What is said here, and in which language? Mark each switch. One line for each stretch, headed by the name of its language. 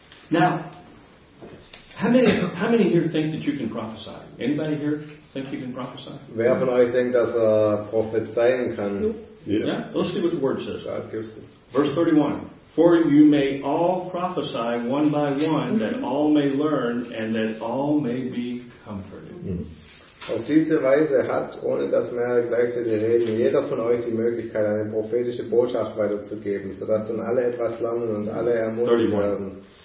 English: Now, how many here think that you can prophesy? Anybody here think you can prophesy?
German: Wer von euch denkt, dass er prophezeien kann?
English: Yeah. Let's see what the word says. Verse 31. For you may all prophesy one by one, that all may learn and that all may be comforted.
German: Auf diese Weise hat, ohne dass mehr gleichzeitig reden, jeder von euch die Möglichkeit, eine prophetische Botschaft weiterzugeben, sodass dann alle etwas lernen und alle ermutigt werden.